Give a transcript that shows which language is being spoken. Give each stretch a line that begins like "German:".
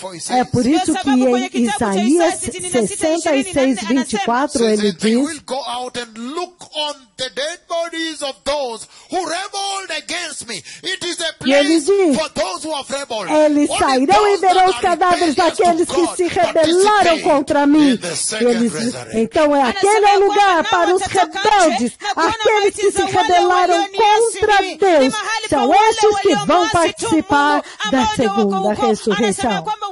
Portuguese: É por isso que em Isaías 66, 24, ele diz,
English: they will go out and look on the dead bodies of those who rebelled against me. It is a place
Portuguese: diz,
English: for those who have rebelled.
Portuguese: Eles sairão e verão os cadáveres daqueles que se rebelaram contra mim. Então é aquele lugar para os rebeldes, aqueles que se rebelaram contra Deus. São esses que vão participar da segunda ressurreição.